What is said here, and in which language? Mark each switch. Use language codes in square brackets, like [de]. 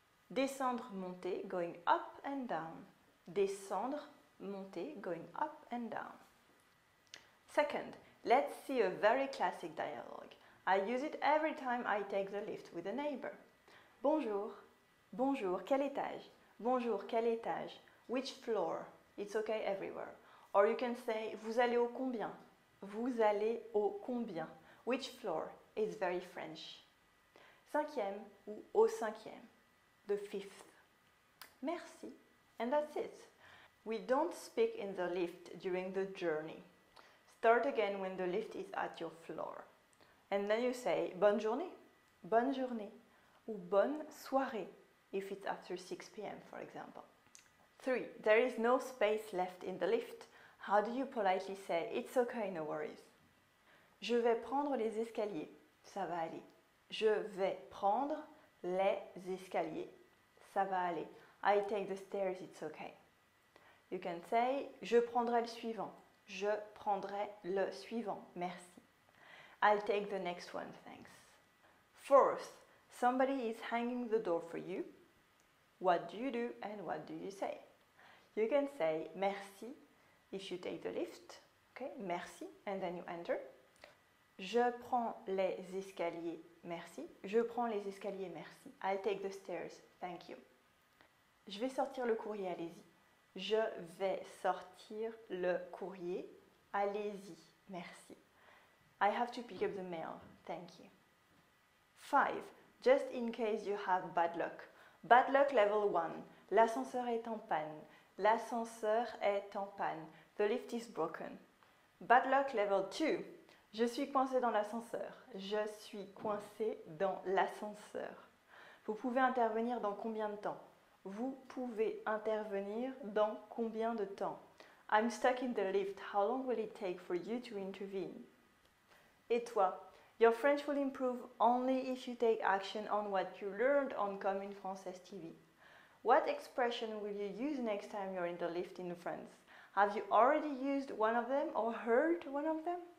[fr] Descendre, monter, [en] going up and down. Descendre, monter, going up and down. Second, let's see a very classic dialogue. I use it every time I take the lift with a neighbor. [fr] Bonjour, bonjour, quel étage? Bonjour, quel étage? [en] Which floor? It's okay everywhere. Or you can say, [fr] vous allez au combien? Vous allez au combien? [en] Which floor? It's very French. [fr] Cinquième ou au cinquième? [en] The fifth. Merci. And that's it. We don't speak in the lift during the journey. Start again when the lift is at your floor. And then you say, [fr] bonne journée. Bonne journée. Ou bonne soirée, [en] if it's after 6 p.m. for example. 3. There is no space left in the lift. How do you politely say, it's okay, no worries? [fr] Je vais prendre les escaliers. Ça va aller. Je vais prendre les escaliers. Ça va aller. [en] I take the stairs, it's okay. You can say, [fr] je prendrai le suivant. Je prendrai le suivant. Merci. [en] I'll take the next one, thanks. 4. Somebody is hanging the door for you. What do? And what do you say? You can say merci if you take the lift. Okay, merci. And then you enter. [fr] Je prends les escaliers, merci. Je prends les escaliers, merci. [en] I'll take the stairs, thank you. [fr] Je vais sortir le courrier, allez-y. Je vais sortir le courrier, allez-y, merci. [en] I have to pick up the mail, thank you. 5. Just in case you have bad luck. Bad luck level 1. [fr] L'ascenseur est en panne. L'ascenseur est en panne. [en] The lift is broken. Bad luck level 2. [fr] Je suis coincé dans l'ascenseur. Je suis coincé dans l'ascenseur. Vous pouvez intervenir dans combien de temps? Vous pouvez intervenir dans combien de temps? [en] I'm stuck in the lift. How long will it take for you to intervene? [fr] Et toi? [en] Your French will improve only if you take action on what you learned on Comme une Française TV. What expression will you use next time you're in the lift in France? Have you already used one of them or heard one of them?